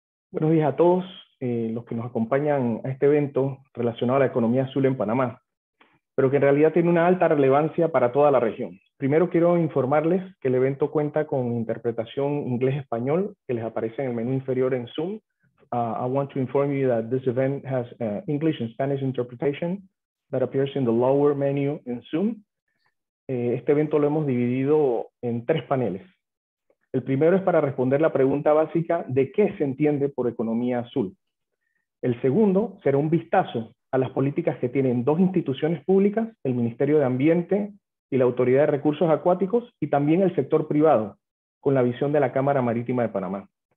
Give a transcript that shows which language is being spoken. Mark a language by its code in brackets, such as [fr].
[es] Buenos días a todos los que nos acompañan a este evento relacionado a la economía azul en Panamá, pero que en realidad tiene una alta relevancia para toda la región. Primero quiero informarles que el evento cuenta con interpretación inglés-español que les aparece en el menú inferior en Zoom. [en] I want to inform you that this event has English and Spanish interpretation that appears in the lower menu in Zoom. [es] Este evento lo hemos dividido en tres paneles. El primero es para responder la pregunta básica de qué se entiende por economía azul. El segundo será un vistazo a las políticas que tienen dos instituciones públicas, el Ministerio de Ambiente y la Autoridad de Recursos Acuáticos, y también el sector privado, con la visión de la Cámara Marítima de Panamá.